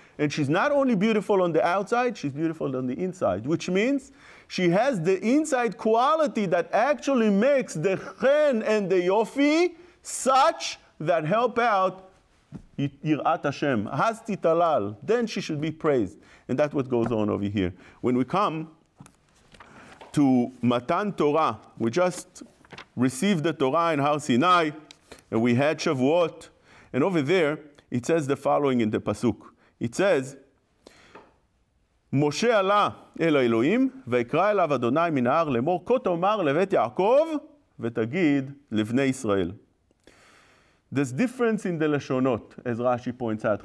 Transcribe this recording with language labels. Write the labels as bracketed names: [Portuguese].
[English] And she's not only beautiful on the outside, she's beautiful on the inside, which means she has the inside quality that actually makes the chen and the yofi such that help out Yirat Hashem. Has titalal. Then she should be praised. And that's what goes on over here. When we come to Matan Torah, we just received the Torah in Har Sinai, and we had Shavuot. And over there, it says the following in the Pasuk. It says, [Hebrew] Moshe Allah אל האלוהים, ויקרא אליו אדוני מן ההר לאמור, כה תאמר לבית יעקב, ותגיד לבני ישראל. [English] There's difference in the לשונות, as Rashi points out.